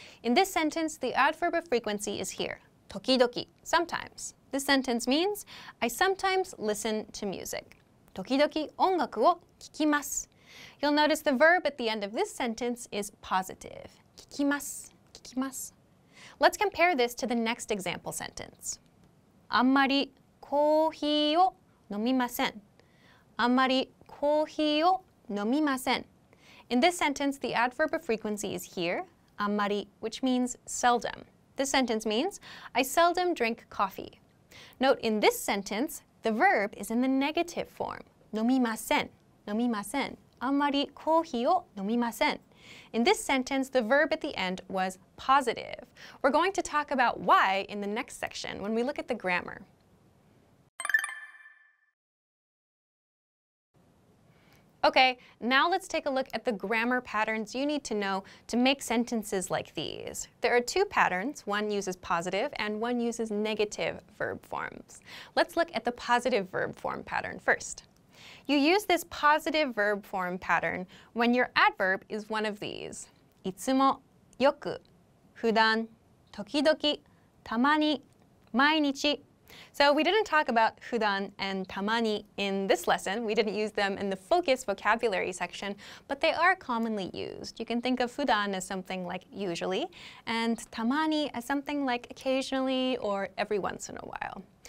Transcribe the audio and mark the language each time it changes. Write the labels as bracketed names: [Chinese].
[English] In this sentence, the adverb of frequency is here. 時々, sometimes. This sentence means, I sometimes listen to music. [Japanese] 時々音楽を聴きます. [English] You'll notice the verb at the end of this sentence is positive. [Japanese] 聞きます。聞きます。 [English] Let's compare this to the next example sentence. [Japanese] あんまりコーヒーを飲みません. あんまりコーヒーを飲みません. [English] In this sentence, the adverb of frequency is here, あまり, which means seldom. This sentence means, I seldom drink coffee. Note, in this sentence, the verb is in the negative form, [Japanese] 飲みません, 飲みません, あまりコーヒーを飲みません. [English] In this sentence, the verb at the end was positive. We're going to talk about why in the next section when we look at the grammar. Okay, now let's take a look at the grammar patterns you need to know to make sentences like these. There are two patterns. One uses positive and one uses negative verb forms. Let's look at the positive verb form pattern first. You use this positive verb form pattern when your adverb is one of these. [Japanese] いつも、よく、普段、時々、たまに、毎日。 [English] So we didn't talk about 普段 and たまに in this lesson. We didn't use them in the focus vocabulary section, but they are commonly used. You can think of 普段 as something like usually, and たまに as something like occasionally or every once in a while.